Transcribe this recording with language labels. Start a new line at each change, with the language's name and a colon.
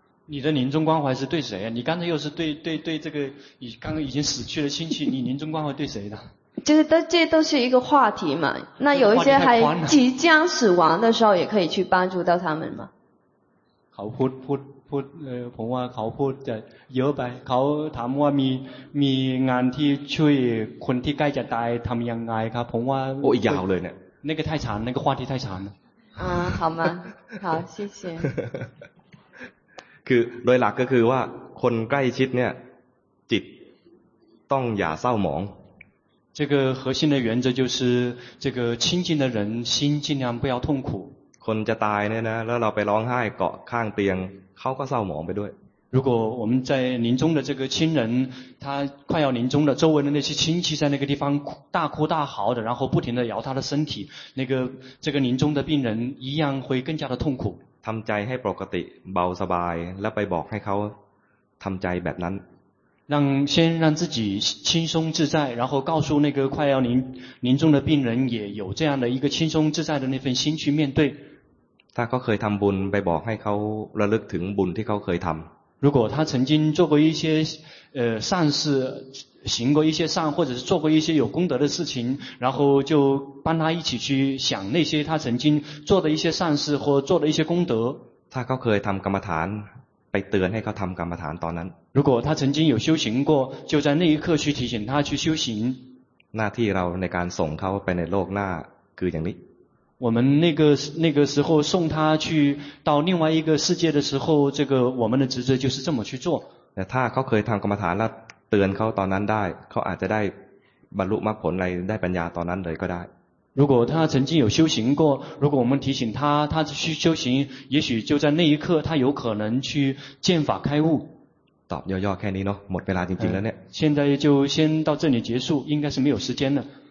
Chinese: 你的临终关怀是对谁啊你刚才又是对这个刚刚已经死去的亲戚你临终关怀对谁的就是这都是一个话题嘛那有一些还即将死亡的时候也可以去帮助到他们嘛
Thai: เขาพูดผมว่าเขาพูดจะเยอะไปเขาถามว่ามีงานที่ช่วยคนที่ใกล้จะตายทำยังไงครับผมว่า โอ้ยาวเลยเนี่ย
Chinese: 那个太长那个话题太长了啊好吗好谢谢
Thai: คือโดยหลักก็คือว่าคนใกล้ชิดเนี่ยจิต ต้องอย่าเศร้าหมอง
Chinese: 这个核心的原则就是这个亲近的人心尽量不要痛苦
Thai: คนจะตายเนี่ยนะแล้วเราไปร้องไห้เกาะข้างเตียงเขาก็เศร้าหมองไปด้วย
Chinese: 如果我们在临终的这个亲人他快要临终了周围的那些亲戚在那个地方大哭大嚎的然后不停地摇他的身体那个这个临终的病人一样会更加的痛苦
Thai: ทำใจให้ปกติเบาสบายแล้วไปบอกให้เขาทำใจแบบนั้น
Chinese: 先让自己轻松自在然后告诉那个快要临终的病人也有这样的一个轻松自在的那份心去面对
Thai: ถ้าเขาเคยทำบุญไปบอกให้เขาระลึกถึงบุญที่เขาเคยทำ
Chinese: 如果他曾经做过一些善事行过一些善或者是做过一些有功德的事情然后就帮他一起去想那些他曾经做的一些善事或做的一些功德
Thai: ถ้าเขาเคยทำกรรมฐานไปเตือนให้เขาทำกรรมฐานตอนนั้น
Chinese: 如果他曾经有修行过就在那一刻去提醒他去修行
Thai: หน้าที่เราในการส่งเขาไปในโลกหน้าคืออย่างนี้
Chinese: 我们那个时候送他去到另外一个世界的时候这个我们的职责就是这么去做
Thai: แต่ถ้าเขาเคยทำกรรมฐานแล้วเตือนเขาตอนนั้นได้เขาอาจจะได้บรรลุมรรคผลได้ปัญญาตอนนั้นเลยก็ได้
Chinese: 如果他曾经有修行过如果我们提醒他他去修行也许就在那一刻他有可能去见法开悟
Thai: ตอบย่อๆแค่นี้เนาะหมดเวลาจริงๆแล้วเนี่ย
Chinese: 现在就先到这里结束应该是没有时间了